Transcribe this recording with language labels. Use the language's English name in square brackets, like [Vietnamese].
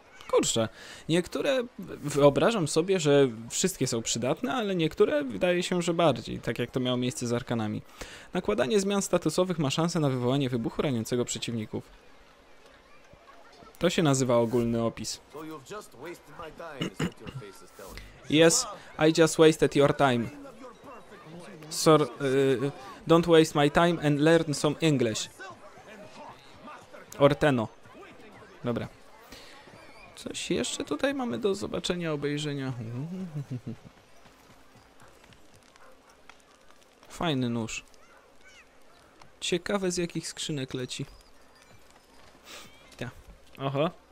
[Polish] Kurczę, niektóre, wyobrażam sobie, że wszystkie są przydatne, ale niektóre wydaje się, że bardziej, tak jak to miało miejsce z arkanami. Nakładanie zmian statusowych ma szansę na wywołanie wybuchu raniącego przeciwników. To się nazywa ogólny opis. [English] Yes, I just wasted your time. Sir, don't waste my time and learn some English. [Polish] Orteno. Dobra. Coś jeszcze tutaj mamy do zobaczenia, obejrzenia. Fajny nóż. Ciekawe, z jakich skrzynek leci. Ja. Oho.